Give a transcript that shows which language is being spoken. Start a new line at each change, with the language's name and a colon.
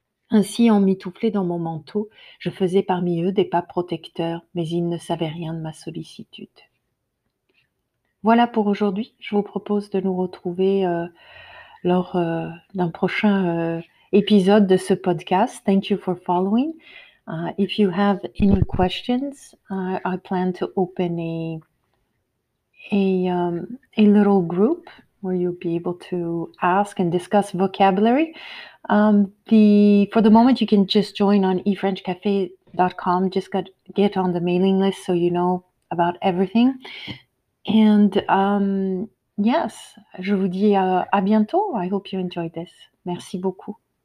French: Ainsi, en mitouflé dans mon manteau, je faisais parmi eux des pas protecteurs, mais ils ne savaient rien de ma sollicitude. Voilà pour aujourd'hui. Je vous propose de nous retrouver lors d'un prochain épisode de ce podcast.
English: Thank you for following. If you have any questions, I plan to open a little group where you'll be able to ask and discuss vocabulary. For the moment, you can just join on efrenchcafe.com. Just get on the mailing list so you know about everything. And yes,
French: je vous dis à bientôt.
English: I hope you enjoyed this.
French: Merci beaucoup.